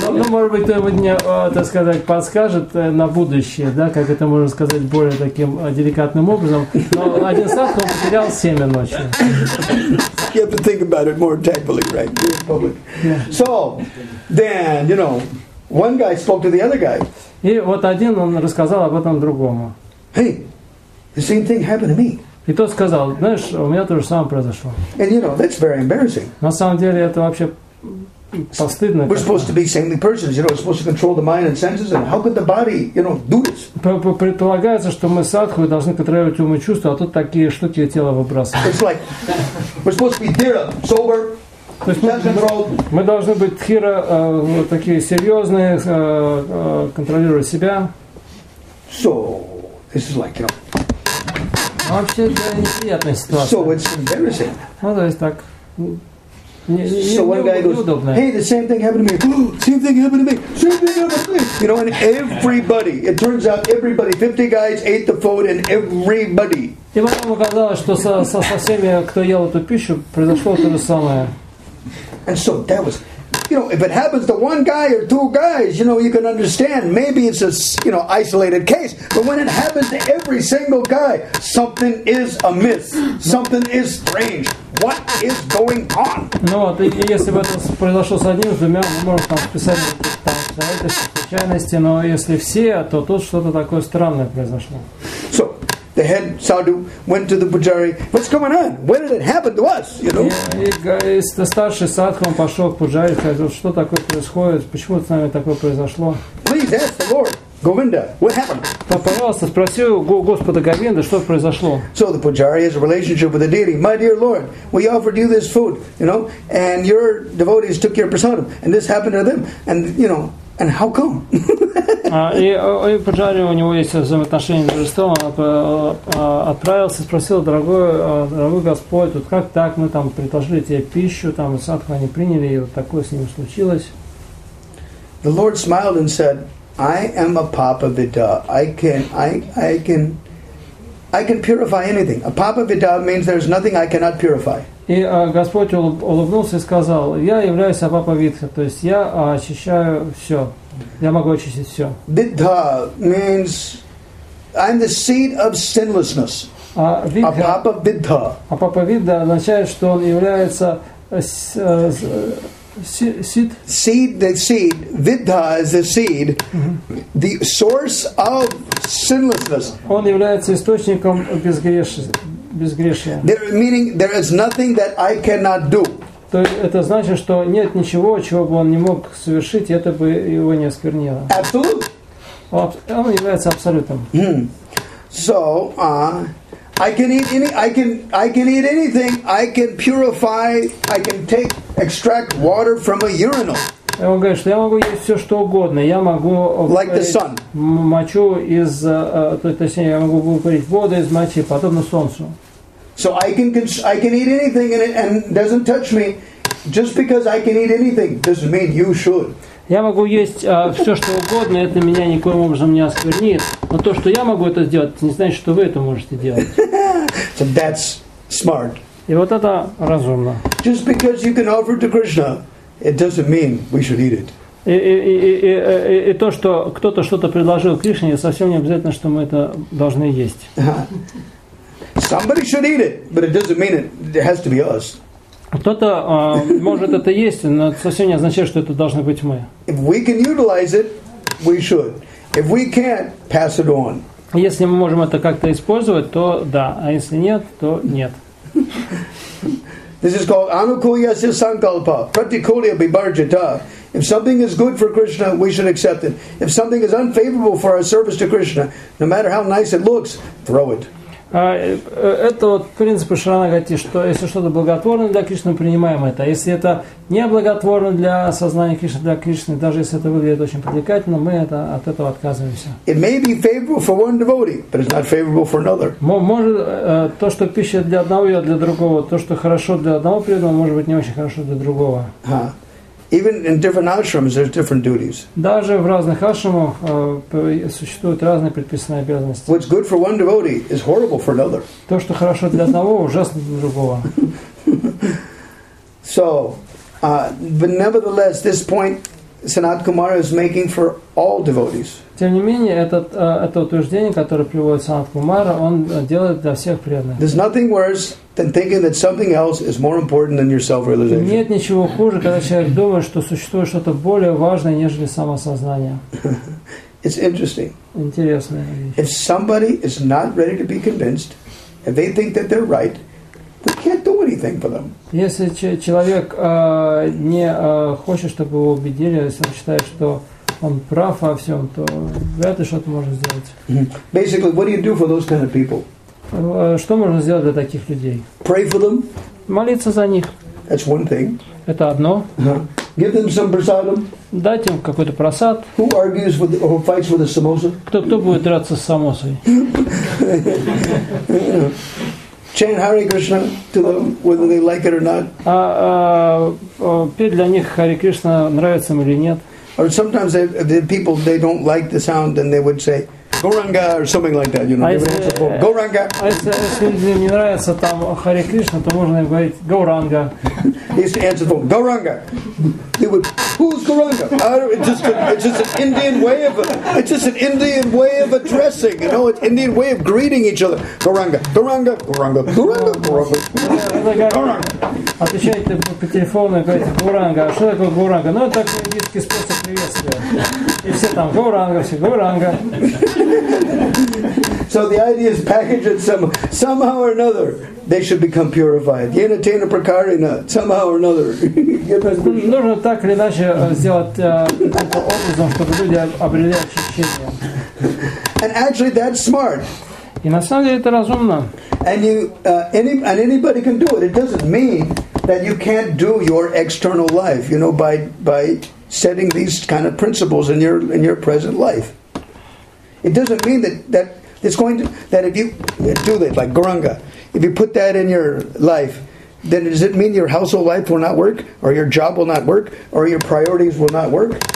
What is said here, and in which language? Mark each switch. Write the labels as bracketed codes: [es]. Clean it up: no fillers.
[ru] Ну, может быть, он мне, так сказать, подскажет на будущее, да, как это можно сказать более таким деликатным образом. Но один сад, он потерял семя ночью. [en] You have to think about it more tactfully, right? Yeah. So, then, you know, one guy spoke to the other guy. [ru] И вот один он рассказал об этом другому. [en] Hey, the same thing happened to me. [ru] И тот сказал, знаешь, у меня то же самое произошло. [en] And you know, that's very embarrassing. [ru] На самом деле это вообще постыдно. [en] We're supposed to be saintly persons, you know, we're supposed to control the mind and senses, and how could the body, you know, do this? [ru] Предполагается, что мы садху должны контролировать ум и чувства, а тут такие штуки тело выбрасывают. [en] It's like we're supposed to be dhira, sober. [ru] То есть мы должны быть тхира, такие серьезные, контролировать себя. [en] So, this is like, you know. [ru] Вообще, это неприятная ситуация. [en] So, it's embarrassing. [ru] Ну, то есть так. [en] So one guy goes, hey, the same thing happened to me. Same thing happened to me. Same thing happened to me. You know, and everybody, it turns out everybody, 50 guys ate the food and everybody. [ru] И потом оказалось, что со всеми, кто ел эту пищу, произошло то же самое. [en] And so that was you know, if it happens to one guy or two guys, you know, you can understand. Maybe it's a, you know, isolated case. But when it happens to every single guy, something is amiss. Something is strange. What is going on? [ru] Ну, вот, если бы это произошло с одним, с двумя, мы можем там списать какие-то обстоятельства, случайности, но если все, то тут что-то такое странное произошло. [en] So, the head sadhu went to the pujari. What's going on? Where did it happen to us? You know. [ru] И старший садху пошел к пуджари, сказал, что такое происходит, почему с нами такое произошло? [en] Please ask the Lord, Govinda, what happened? [ru] Пожалуйста, спроси у Господа Говинда, что произошло. [en] So the pujari has a relationship with the deity. My dear Lord, we offered you this food, you know, and your devotees took your prasadam, and this happened to them, and you know. And how come? [ru] И пожарил у него есть взаимоотношения с Божеством. Он отправился, спросил, дорогой Господь, вот как так мы там предложили тебе пищу, там садху они приняли, и вот такое с ним случилось. [en] The Lord smiled and said, I am a papa vidha. I can purify anything. A papa vidha means there's nothing I cannot purify. [ru] И Господь улыбнулся и сказал, я являюсь Апапа Витха, то есть я очищаю все, я могу очистить все. [en] Витха means I'm the seed of sinlessness. [ru] Апапа Витха. Апапа Витха означает, что он является [en] seed. Seed, the seed. Витха is the seed, the source of sinlessness. [ru] Он является источником безгрешности. [en] Meaning there is nothing that I cannot do. [ru] То это значит, что нет ничего, чего бы он не мог совершить, это бы его не осквернило. [en] Absolute. [ru] Он является абсолютом. [en] So, I can eat anything. I can purify. I can take extract water from a urinal. [ru] И он говорит, что я могу есть все, что угодно. Я могу мочу из, точнее, я могу выпарить воду из мочи, подобно солнцу. [en] So I can eat anything and it doesn't touch me. Just because I can eat anything doesn't mean you should. [ru] Я могу есть все, что угодно, это меня никоим образом не осквернит. Но то, что я могу это сделать, не значит, что вы это можете делать. [en] So that's smart. [ru] И вот это разумно. [en] Just because you can offer to Krishna, it doesn't mean we should eat it. [ru] И то, что кто-то что-то предложил Кришне, совсем не обязательно, что мы это должны есть. [en] Somebody should eat it, but it doesn't mean it has to be us. [ru] Кто-то может это есть, но совсем не означает, что это должны быть мы. [en] If we can utilize it, we should. If we can't, pass it on. [ru] Если мы можем это как-то использовать, то да, а если нет, то нет. [en] This is called [sa] anukulyasya sankalpa, pratikulya bibarjita. [en] If something is good for Krishna, we should accept it. If something is unfavorable for our service to Krishna, no matter how nice it looks, throw it. [ru] Это вот принципы Шаранагати, что если что-то благотворно для Кришны, принимаем это. Если это неблаготворно для сознания Кришны, для Кришны, даже если это выглядит очень привлекательно, мы это, от этого отказываемся. It may be favorable for one devotee, but it's not favorable for another. Может, то, что пища для одного, я для другого. То, что хорошо для одного преданного, может быть не очень хорошо для другого. [en] Even in different ashrams, there's different duties. [ru] Даже в разных ашрамах существуют разные предписанные обязанности. [en] What's good for one devotee is horrible for another. [ru] То, что хорошо для одного, ужасно для другого. [en] So, but nevertheless, this point Sanat Kumara is making for all devotees. [ru] Тем не менее, это утверждение, которое приводит Санат Кумара, он делает для всех преданных. [en] There's nothing worse than thinking that something else is more important than your self-realization. [ru] Нет ничего хуже, когда человек думает, что существует что-то более важное, нежели самосознание. [en] It's interesting. [ru] Интересная вещь. [en] If somebody is not ready to be convinced, if they think that they're right, we can't do anything for them. [ru] Если человек не хочет, чтобы его убедили, если он считает, что он прав во всем, то вряд ли что-то можно сделать. [en] Basically, what do you do for those kind of people? [ru] Что можно сделать для таких людей? [en] Pray for them. [ru] Молиться за них. [en] That's one thing. [ru] Это одно. [en] Give them some prasadam. [ru] Дать им какой-то просад. [en] Who argues with, who fights with a samosa? [ru] Кто будет драться с самосой? [en] Chant Hare Krishna to them, whether they like it or not. [ru] Петь для них Hare Krishna, нравится им или нет. [en] Or sometimes the people, they don't like the sound, and they would say, Goranga or something like that, you know. Goranga. [ru] Если не нравится там Харе Кришна, то можно говорить Goranga. [en] He's to answer the phone. Goranga. Who's Goranga? It's just an Indian way of addressing. You know, it's Indian way of greeting each other. Goranga. Goranga. Goranga. Goranga. Goranga. Goranga. [ru] Отвечаете по телефону и говорите Goranga. Что такое Goranga? Ну, это такой индийский способ приветствия. И все там Goranga, все Goranga. [en] So the idea is packaged somehow or another. They should become purified. [sa] Yena tena prakarina, [en] somehow or another. [ru] Нужно так или иначе сделать образом, чтобы люди обрели очищение. [en] And actually, that's smart. [ru] И на самом деле это разумно. [en] And anybody can do it. It doesn't mean that you can't do your external life, you know, by setting these kind of principles in your present life. It doesn't mean that if you do that, like Goranga, if you put that in your life, then does it mean your household life will not work, or your job will not work, or your priorities will not work?